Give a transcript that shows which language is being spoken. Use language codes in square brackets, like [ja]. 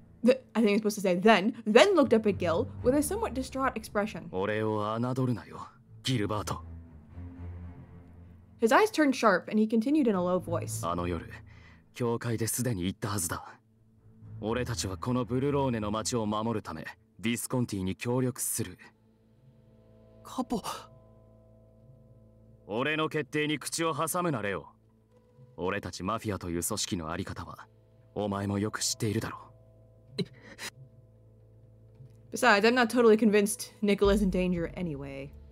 [en] I think I'm supposed to say then looked up at Gil with a somewhat distraught expression. [ja] 俺を侮るなよ、ギルバート。 [en] His eyes turned sharp and he continued in a low voice. [ja] あの夜、教会ですでに言ったはずだ。俺たちはこのブルローネの町を守るため、ヴィスコンティに協力する。カポ。俺の決定に口を挟むなれよ。俺たちマフィアという組織のあり方は、お前もよく知っているだろう。 [en] Besides, I'm not totally convinced Nicholas is in danger anyway.